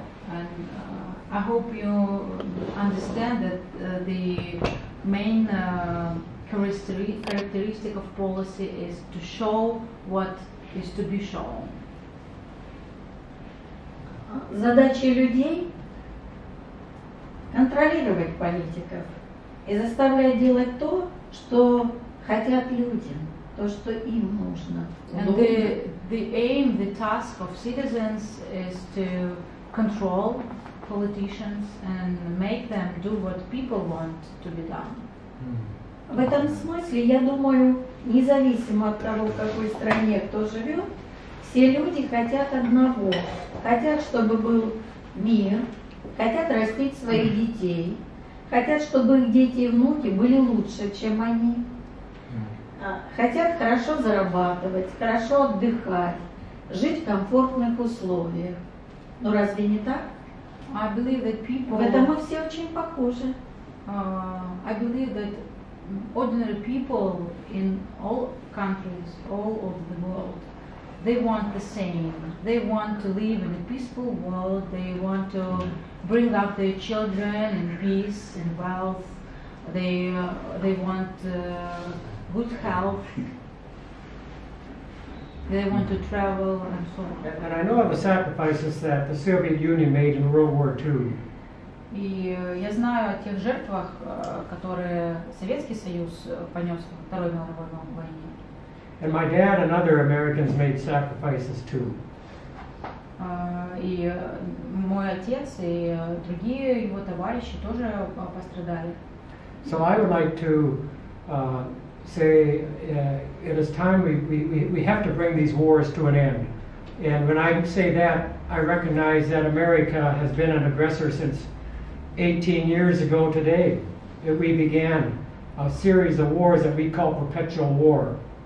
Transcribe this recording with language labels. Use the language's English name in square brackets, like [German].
[English] And I hope you understand that the main characteristic of policy is to show what is to be shown. [Russian] Задача людей контролировать политиков и заставлять делать то, что хотят люди, то, что им нужно. [English] And the aim, the task of citizens is to control politicians and make them do what people want to be done. [Russian] В этом смысле, я думаю, независимо от того, в какой стране кто живет, все люди хотят одного. Хотят, чтобы был мир, хотят растить своих детей, хотят, чтобы их дети и внуки были лучше, чем они. Хотят хорошо зарабатывать, хорошо отдыхать, жить в комфортных условиях. Но разве не так? [English] I believe that people... [Russian] В этом мы все очень похожи. [English] I believe that ordinary people in all countries, all over the world, they want the same. They want to live in a peaceful world. They want to bring up their children in peace and wealth. They want good health. They want to travel and so on. And I know of the sacrifices that the Soviet Union made in World War II. [Russian] И я знаю о тех жертвах, которые Советский Союз понес во Второй мировой войне. [English] And my dad and other Americans made sacrifices too. [Russian] И мой отец и другие его товарищи тоже пострадали. [English] So I would like to say it is time we have to bring these wars to an end. And when I say that, I recognize that America has been an aggressor since 18 years ago today, that we began a series of wars that we call perpetual war.